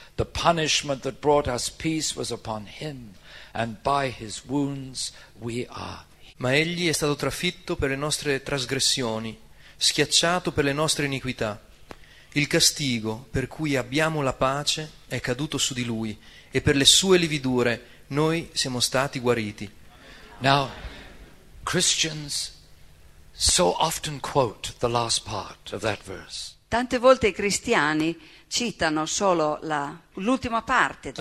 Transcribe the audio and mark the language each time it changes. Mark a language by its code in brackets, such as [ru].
[en] The punishment that brought us peace was upon him. And by his wounds we are. [it] Ma egli è stato trafitto per le nostre trasgressioni, schiacciato per le nostre iniquità. Il castigo per cui abbiamo la pace è caduto su di lui, e per le sue lividure noi siamo stati guariti. [en] Now, Christians so often quote the last part of that verse. [it] Tante volte i cristiani citano solo l'ultima parte di